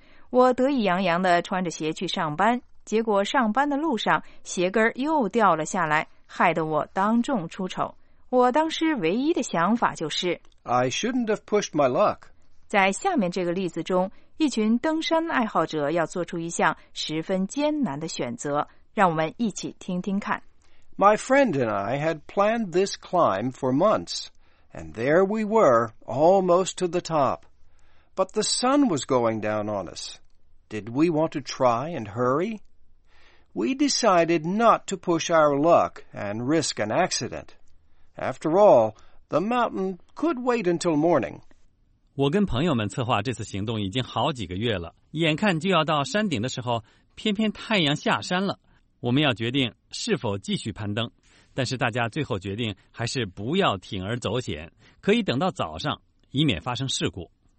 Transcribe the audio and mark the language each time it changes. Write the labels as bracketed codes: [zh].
[zh] 我得意洋洋地穿着鞋去上班，结果上班的路上鞋跟又掉了下来，害得我当众出丑。我当时唯一的想法就是 [en] I shouldn't have pushed my luck。 [zh] 在下面这个例子中，一群登山爱好者要做出一项十分艰难的选择，让我们一起听听看。 [en] My friend and I had planned this climb for months, and there we were, almost to the top. But the sun was going down on us. Did we want to try and hurry? We decided not to push our luck and risk an accident. After all, the mountain could wait until morning. [zh] 我跟朋友们策划这次行动已经好几个月了，眼看就要到山顶的时候，偏偏太阳下山了，我们要决定是否继续攀登，但是大家最后决定还是不要铤而走险，可以等到早上，以免发生事故。